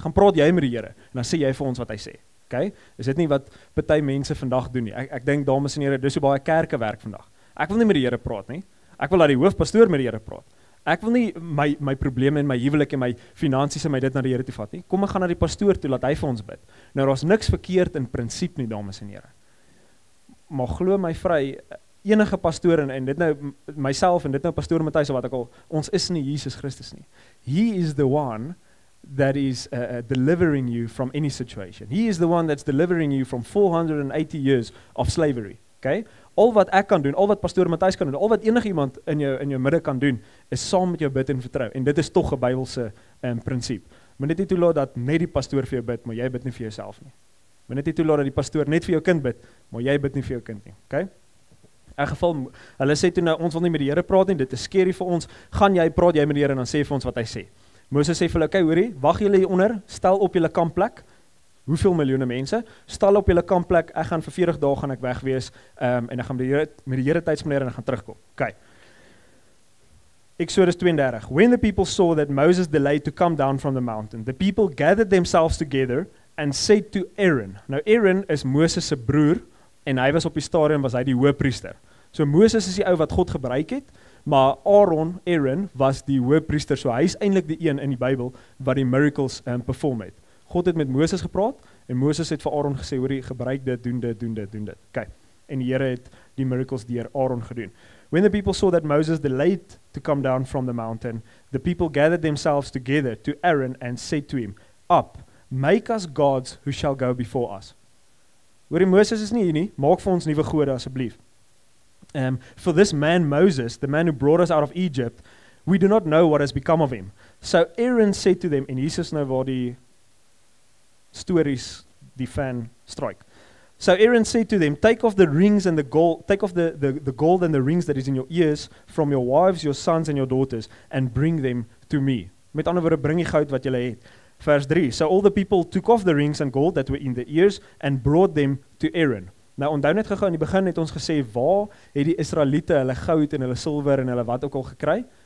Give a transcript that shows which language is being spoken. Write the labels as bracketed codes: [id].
[af] Gaan praat jy met die Here en dan sê jy vir ons wat hy sê. Okay? Is dit nie wat party mense vandag doen nie? Ek dink dames en here, dis hoe baie kerke werk vandag. Ek wil nie met die Here praat nie. Ek wil dat die hoofpastoor met die Here praat. Ek wil nie my probleme en my huwelik en my finansies en my dit na die Here toe vat nie. Kom, ek gaan na die pastoor toe, laat hy vir ons bid. Nou, daar is niks verkeerd in principe nie, dames en here. Maar glo my vry, enige pastoor en dit nou, myself en dit nou pastoor Matthys wat ek al, ons is nie Jesus Christus nie. [en] He is the one that is delivering you from any situation. He is the one that's delivering you from 480 years of slavery. Okay? [af] Al wat ek kan doen, al wat pastoor Matthys kan doen, al wat enig iemand in jou midde kan doen, is saam met jou bid en vertrou. En dit is toch een Bijbelse principe. Moet net nie toelaat dat net die pastoor vir jou bid, maar jy bid nie vir jouself nie. Moet net nie toelaat dat die pastoor net vir jou kind bid, maar jy bid nie vir jou kind nie. Okay? In geval, hulle sê toe nou, ons wil nie met die Here praat nie, dit is scary vir ons, gaan jy, praat jy met die Here en dan sê vir ons wat hy sê. Moses sê vir hulle, okay, hoorie, wag julle hieronder, stel op julle kampplek, hoeveel miljoene mense, stel op julle kampplek, ek gaan vir 40 dae gaan ek weg wees, en ek gaan met die Here tydsmanier en ek gaan terugkom. Okay. [en] Exodus 32, when the people saw that Moses delayed to come down from the mountain, the people gathered themselves together and said to Aaron, [af] nou Aaron is Moses' se broer, en hy was op die stadium, was hy die hoëpriester. So Moses is die ou wat God gebruik het, maar Aaron was die hoëpriester, so hy is eindelijk die een in die Bybel wat die miracles perform het. God het met Moses gepraat, en Moses het vir Aaron gesê, hoorie, gebruik dit, doen dit. Okay. En die Here het die miracles deur Aaron gedoen. [en] When the people saw that Moses delayed to come down from the mountain, the people gathered themselves together to Aaron and said to him, up, make us gods who shall go before us. [af] Hoorie, Moses is nie hier nie, maak vir ons nuwe gode asseblief. [en] For this man Moses, the man who brought us out of Egypt, we do not know what has become of him. So Aaron said to them, [af] en Jesus nou waar die stories die fan strike. [en] So Aaron said to them, take off the rings and the gold, take off the gold and the rings that is in your ears from your wives, your sons and your daughters and bring them to me. [af] Met ander woorde, bring die goud wat julle het. Vers 3, [en] so all the people took off the rings and gold that were in the ears and brought them to Aaron. [af] Nou, onthou net gegaan, in die begin het ons gesê, waar het die Israelite hulle goud en hulle silver en hulle wat ook al gekry?